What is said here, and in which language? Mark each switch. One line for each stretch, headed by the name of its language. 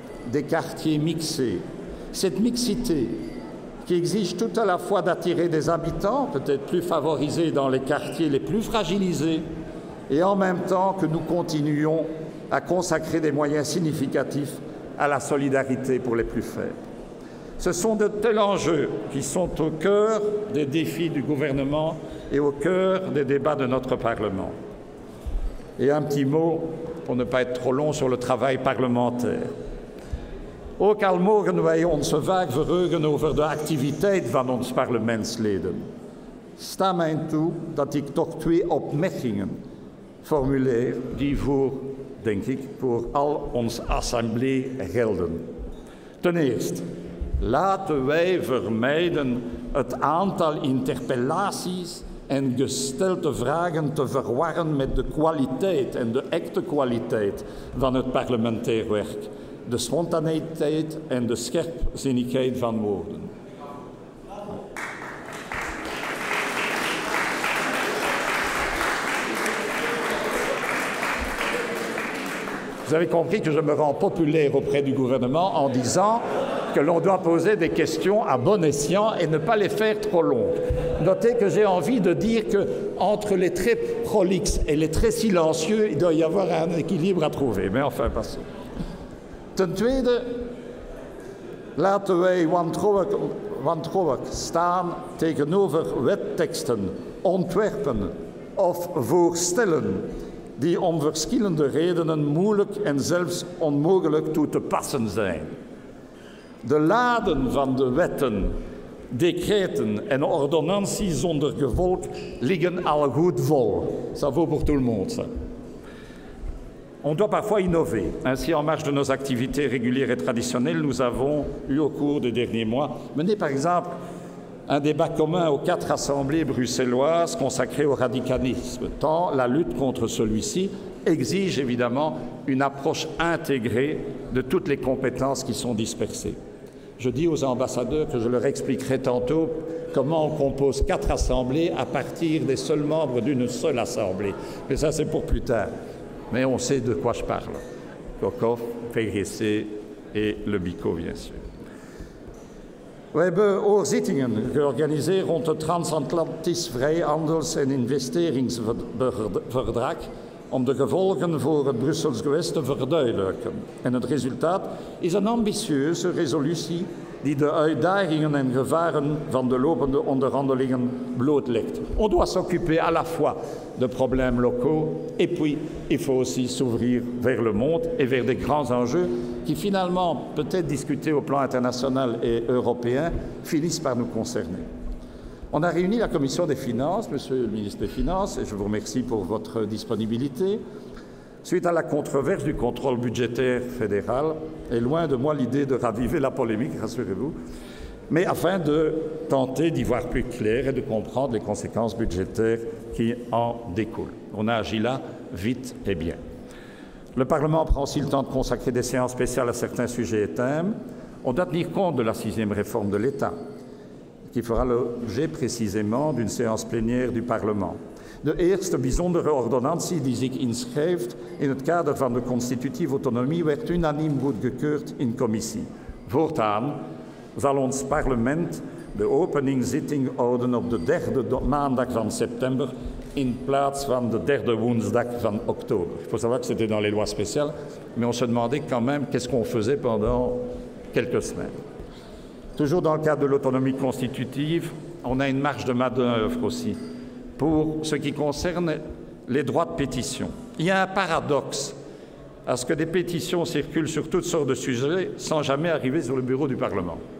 French: Des quartiers mixés. Cette mixité qui exige tout à la fois d'attirer des habitants, peut-être plus favorisés dans les quartiers les plus fragilisés, et en même temps que nous continuions à consacrer des moyens significatifs à la solidarité pour les plus faibles. Ce sont de tels enjeux qui sont au cœur des défis du gouvernement et au cœur des débats de notre Parlement. Et un petit mot, pour ne pas être trop long, sur le travail parlementaire.
Dutch: Ook al mogen wij ons vaak verheugen over de activiteit van ons parlementsleden, sta mij toe dat ik toch twee opmerkingen formuleer die voor, denk ik, voor al ons assemblée gelden. Ten eerste, laten wij vermijden het aantal interpellaties en gestelde vragen te verwarren met de kwaliteit en de echte kwaliteit van het parlementair werk. De spontaneïteit en de scherpzinnigheid van woorden.
French: Vous avez compris que je me rends populaire auprès du gouvernement en disant que l'on doit poser des questions à bon escient et ne pas les faire trop longues. Notez que j'ai envie de dire que entre les très prolixes et les très silencieux, il doit y avoir un équilibre à trouver. Mais enfin, passons.
Dutch: Ten tweede, laten wij wantrouwig staan tegenover wetteksten, ontwerpen of voorstellen die om verschillende redenen moeilijk en zelfs onmogelijk toe te passen zijn. De laden van de wetten, decreten en ordonnanties zonder gevolg liggen al goed vol.
French: Ça vaut pour tout le monde, ça. On doit parfois innover. Ainsi, en marge de nos activités régulières et traditionnelles, nous avons eu au cours des derniers mois mené, par exemple, un débat commun aux quatre assemblées bruxelloises consacrées au radicalisme, tant la lutte contre celui-ci exige évidemment une approche intégrée de toutes les compétences qui sont dispersées. Je dis aux ambassadeurs que je leur expliquerai tantôt comment on compose quatre assemblées à partir des seuls membres d'une seule assemblée. Mais ça, c'est pour plus tard. Mais on sait de quoi je parle. Kokov, Pegressé et Le Bico, bien sûr.
Dutch: We hebben hoorzittingen georganiseerd rond het transatlantisch vrijhandels- en investeringsverdrag om de gevolgen voor het Brussels gewest te verduidelijken. En het resultaat is een ambitieuze resolutie die de uitdagingen en gevaren van de lopende onderhandelingen blootlegt.
French: On doit s'occuper à la fois de problèmes locaux, et puis il faut aussi s'ouvrir vers le monde et vers des grands enjeux qui finalement, peut-être discutés au plan international et européen, finissent par nous concerner. On a réuni la Commission des Finances, Monsieur le ministre des Finances, et je vous remercie pour votre disponibilité. Suite à la controverse du contrôle budgétaire fédéral, et loin de moi l'idée de raviver la polémique, rassurez-vous, mais afin de tenter d'y voir plus clair et de comprendre les conséquences budgétaires qui en découlent. On a agi là, vite et bien. Le Parlement prend aussi le temps de consacrer des séances spéciales à certains sujets et thèmes. On doit tenir compte de la sixième réforme de l'État, qui fera l'objet précisément d'une séance plénière du Parlement.
Dutch: De eerste bijzondere ordonnantie die zich inschrijft in het kader van de constitutieve autonomie werd unaniem goedgekeurd in commissie. Voortaan zal ons parlement de openingszitting houden op de derde maandag van september in plaats van de derde woensdag van oktober.
French: Il faut savoir que c'était dans les lois spéciales, mais on se demandait quand même qu'est-ce qu'on faisait pendant quelques semaines. Toujours dans le cadre de l'autonomie constitutive, on a une marge de manœuvre aussi. pour ce qui concerne les droits de pétition. Il y a un paradoxe à ce que des pétitions circulent sur toutes sortes de sujets sans jamais arriver sur le bureau du Parlement.